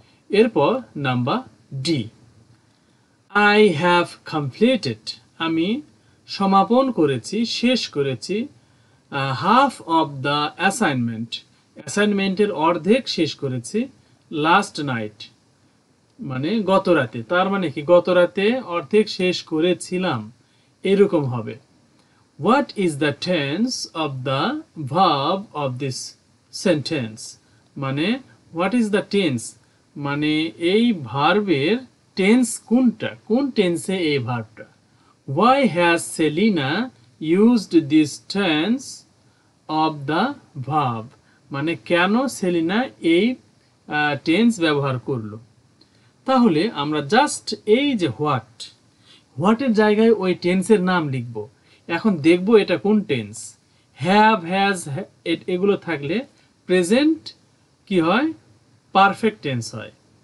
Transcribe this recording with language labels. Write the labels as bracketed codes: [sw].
[bn] এরপর number D, [en] I have completed, [bn] আমি সমাপন করেছি, শেষ করেছি [en] half of the assignment, [bn] অ্যাসাইনমেন্টের অর্ধেক শেষ করেছি, লাস্ট নাইট মানে গত রাতে, তার মানে কি গত রাতে অর্ধেক শেষ করেছিলাম, এরকম হবে। [en] what is the tense of the verb of this sentence মানে what is the tense [bn] মানে এই ভার্বের টেন্স কোনটা, কোন টেন্সে এই ভার্বটা। [en] Why has Selina used this tense of the verb? [bn] মানে কেন সেলিনা এই টেন্স ব্যবহার করলো। তাহলে আমরা জাস্ট এই যে হোয়াট, হোয়াটের জায়গায় ওই টেন্সের নাম লিখব, এখন দেখব এটা কোন টেন্স, হ্যাভ হ্যাজ এগুলো থাকলে প্রেজেন্ট কি হয়, পারফেক্ট টেন্স হয়।